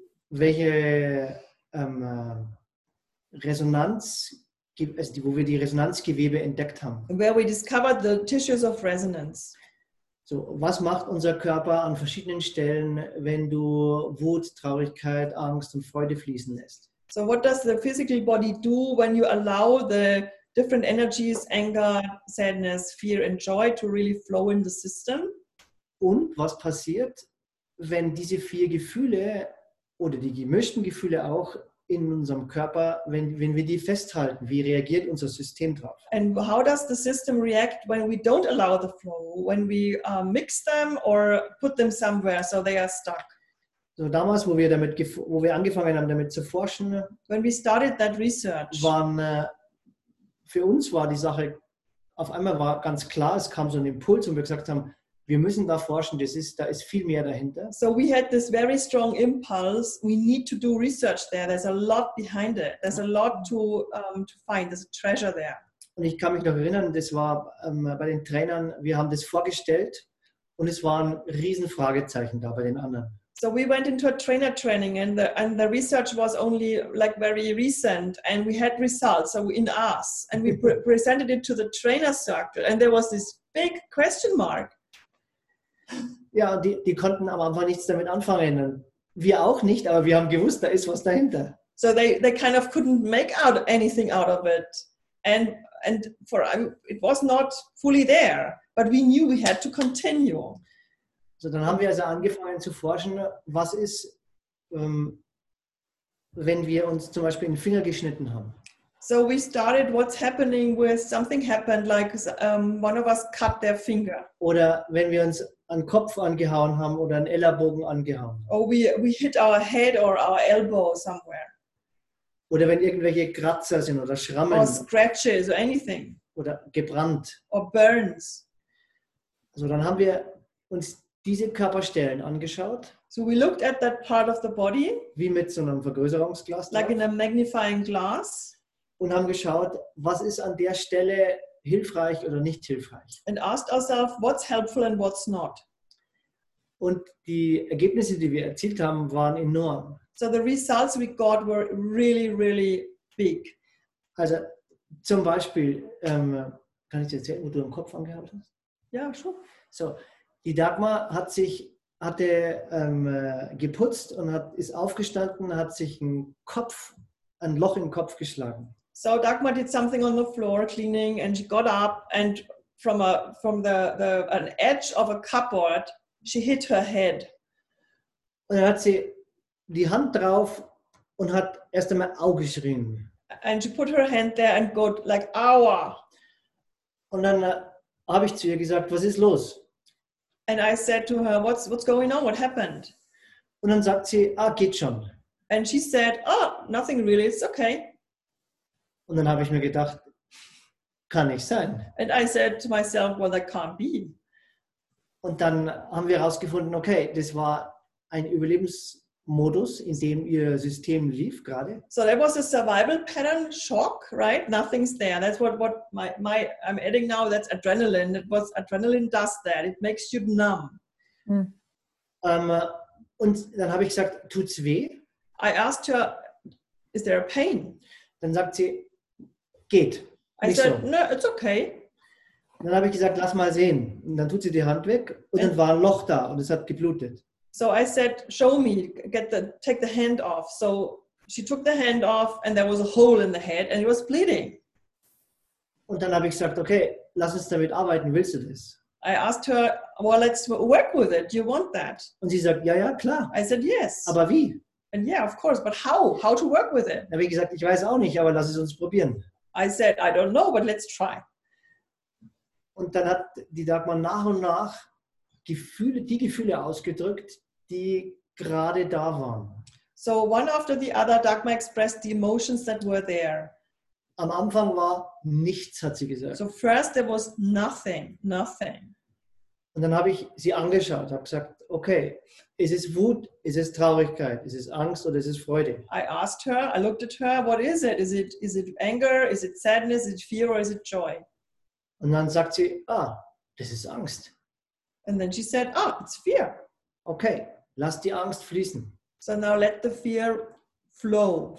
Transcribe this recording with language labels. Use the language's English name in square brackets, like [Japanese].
[German] welche Resonanz, wo wir die Resonanzgewebe entdeckt haben. [English] Where we discovered the tissues of resonance. [German] So, was macht unser Körper an verschiedenen Stellen, wenn du Wut, Traurigkeit, Angst und Freude fließen lässt? [English] So, what does the physical body do when you allow the different energies, anger, sadness, fear and joy to really flow in the system? [German] Und was passiert, wenn diese vier Gefühle oder die gemischten Gefühle auch in unserem Körper, wenn wir die festhalten, wie reagiert unser System drauf? [English] And how does the system react when we don't allow the flow, when we mix them or put them somewhere so they are stuck? [German] So damals, wo wir angefangen haben, damit zu forschen, [English] when we started that research, [German] für uns war die Sache, auf einmal war ganz klar, es kam so ein Impuls und wir gesagt haben, wir müssen da forschen, da ist viel mehr dahinter. [English] So we had this very strong impulse, we need to do research there, there's a lot behind it, there's a lot to find, there's a treasure there. [German] Und ich kann mich noch erinnern, das war bei den Trainern, wir haben das vorgestellt und es waren riesen Fragezeichen da bei den anderen. [English] So we went into a trainer training, and the research was only like very recent, and we had results in us, and we presented it to the trainer circle, and there was this big question mark. [German] Ja, die konnten aber einfach nichts damit anfangen. Wir auch nicht, aber wir haben gewusst, da ist was dahinter. [English] So they kind of couldn't make out anything out of it, and for it was not fully there, but we knew we had to continue. [German] So dann haben wir also angefangen zu forschen, was ist, wenn wir uns zum Beispiel den Finger geschnitten haben. [English] So we started what's happening with something happened, like one of us cut their finger. [German] Oder wenn wir uns einen Kopf angehauen haben oder einen Ellenbogen angehauen. [English] Or we hit our head or our elbow somewhere. [German] Oder wenn irgendwelche Kratzer sind oder Schrammen. [English] Or scratches or anything. [German] Oder gebrannt. [English] Or burns. [German] So dann haben wir uns diese Körperstellen angeschaut. [English] So we looked at that part of the body. [German] Wie mit so einem Vergrößerungsglas. [English] Like in a magnifying glass. [German] Und haben geschaut, was ist an der Stelle hilfreich oder nicht hilfreich. [English] And asked ourselves, what's helpful and what's not. [German] Und die Ergebnisse, die wir erzielt haben, waren enorm. [English] So the results we got were really, really big. [German] Also zum Beispiel, kann ich dir erzählen, wo du den Kopf angehabt hast? Ja, schon. So. Die Dagmar hatte geputzt und ist aufgestanden, hat sich ein Loch im Kopf geschlagen. [English] So Dagmar did something on the floor cleaning and she got up and from an edge of a cupboard she hit her head. [German] Und dann hat sie die Hand drauf und hat erst einmal au geschrien. [English] And she put her hand there and got like aua. [German] Und dann habe ich zu ihr gesagt, was ist los? [English] And I said to her, what's going on? What happened? [German] Und dann sagt sie, ah, geht schon. [English] And she said, oh, nothing really, it's okay. [German] Und dann habe ich mir gedacht, kann nicht sein. [English] And I said to myself, well, that can't be. [German] Und dann haben wir herausgefunden, okay, das war ein Überlebensmodus, in dem ihr System lief gerade. [English] So that was a survival pattern shock, right? Nothing's there. That's what I'm adding now, that's adrenaline. It was adrenaline does that. It makes you numb. [German] Und dann habe ich gesagt, tut's weh? [English] I asked her, is there a pain? [German] Dann sagt sie, geht. [English] I said, no, it's okay. [German] Dann habe ich gesagt, lass mal sehen. Und dann tut sie die Hand weg und dann war ein Loch da und es hat geblutet. [English] So I said, show me, take the hand off. So she took the hand off and there was a hole in the head and it was bleeding. [German] Und dann habe ich gesagt, okay, lass uns damit arbeiten, willst du das? [English] I asked her, well, let's work with it. Do you want that? [German] Und sie sagt, ja, klar. [English] I said, yes. [German] Aber wie? [English] And yeah, of course, but how? How to work with it? [German] Wie gesagt, ich weiß auch nicht, aber lass es uns probieren. [English] I said, I don't know, but let's try. [German] Und dann hat die Dagmar nach und nach die Gefühle ausgedrückt, die gerade da waren. [English] So one after the other, Dagmar expressed the emotions that were there. [German] Am Anfang war nichts, hat sie gesagt. [English] So first there was nothing. [German] Und dann habe ich sie angeschaut, habe gesagt, okay, ist es Wut, ist es Traurigkeit, ist es Angst oder ist es Freude? [English] I asked her, I looked at her, what is it? Is it anger, is it sadness, is it fear or is it joy? [German] Und dann sagt sie, das ist Angst. [English] And then she said, it's fear. [German] Okay, lass die Angst fließen. [English] So now let the fear flow.